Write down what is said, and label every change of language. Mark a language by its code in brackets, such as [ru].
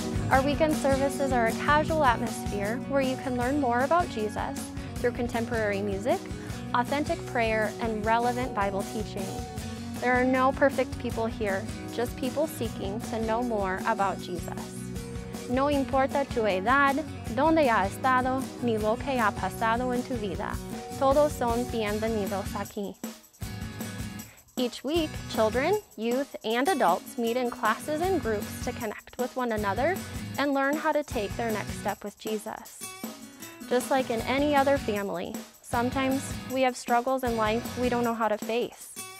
[en] Our weekend services are a casual atmosphere where you can learn more about Jesus through contemporary music, authentic prayer, and relevant Bible teaching. There are no perfect people here, just people seeking to know more about Jesus. [es] No importa tu edad, dónde ha estado, ni lo que ha pasado en tu vida, todos son bienvenidos aquí. [en] Each week, children, youth, and adults meet in classes and groups to connect with one another and learn how to take their next step with Jesus. Just like in any other family, sometimes we have struggles in life we don't know how to face.